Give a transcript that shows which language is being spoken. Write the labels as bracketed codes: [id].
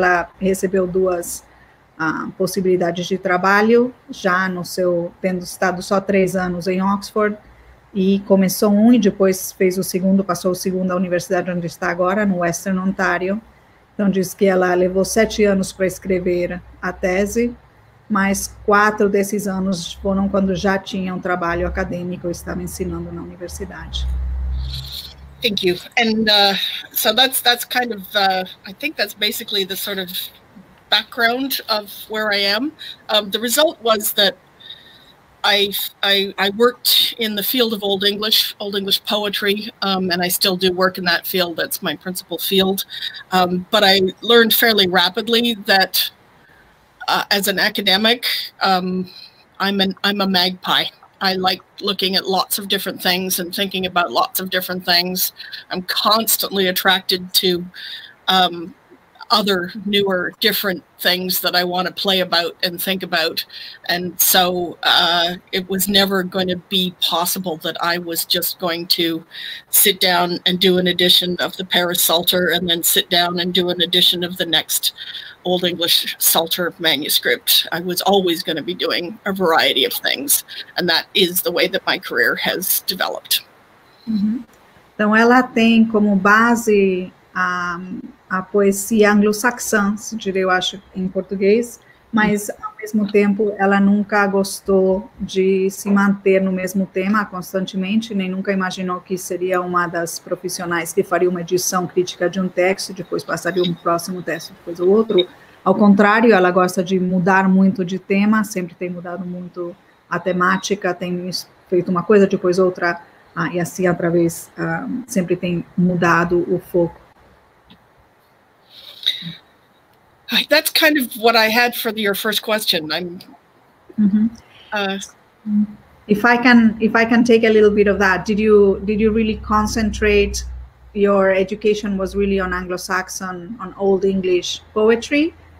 [pt] Ela recebeu duas possibilidades de trabalho, já no seu, tendo estado só 3 anos em Oxford, e começou um e depois fez o segundo, passou o segundo à universidade onde está agora, no Western Ontario. Então diz que ela levou 7 anos para escrever a tese, mas 4 desses anos foram quando já tinha um trabalho acadêmico, estava ensinando na universidade. [en] Thank you. And so that's kind of, I think that's basically the sort of background of where I am. The result was that I worked in the field of Old English poetry, and I still do work in that field. That's my principal field. But I learned fairly rapidly that as an academic, I'm a magpie. I like looking at lots of different things and thinking about lots of different things. I'm constantly attracted to other newer, different things that I want to play about and think about. And so it was never going to be possible that I was just going to sit down and do an edition of the Paris Psalter and then sit down and do an edition of the next Old English Psalter manuscript. I was always going to be doing a variety of things. And that is the way that my career has developed. Mm-hmm. [pt] Então ela tem como base a poesia anglo-saxã, se diria, eu acho, em português, mas, ao mesmo tempo, ela nunca gostou de se manter no mesmo tema constantemente, nem nunca imaginou que seria uma das profissionais que faria uma edição crítica de um texto, depois passaria um próximo texto, depois o outro. Ao contrário, ela gosta de mudar muito de tema, sempre tem mudado muito a temática, tem feito uma coisa, depois outra, e assim, através, sempre tem mudado o foco. [en] That's kind of what I had for your first question. If I can take a little bit of that, did you really concentrate? Your education was really on Anglo-Saxon, on Old English poetry.